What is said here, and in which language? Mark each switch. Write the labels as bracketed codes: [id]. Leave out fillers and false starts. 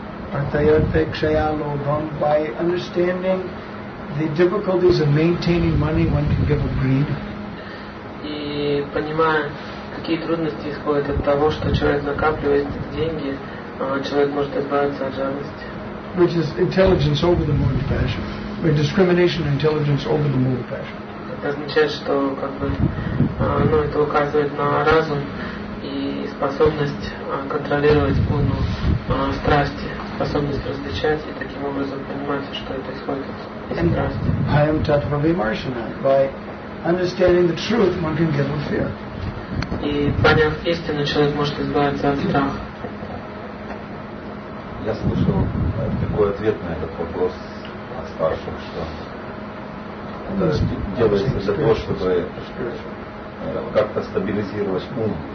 [sa] Artayate kshaya lobham, [en] by understanding the difficulties of maintaining money, one can give up greed. [ru] И понимая, какие трудности исходят от того, что человек накапливает деньги, человек может избавиться от жадности. [en] Which is intelligence over the mode of passion. Or discrimination and intelligence over the mode of passion. [ru] Это означает, что как бы, это указывает на разум и способность контролировать полную страсти, способность различать и таким образом понимать, что это исходит из страсти. [sa] Bhayam tattva vimarsana. [en] By understanding the truth, one can get rid of fear. [ru] И поняв истину, человек может избавиться от страха. Я слышал такой ответ на этот вопрос от старших, что делается для того, чтобы как-то стабилизировать ум.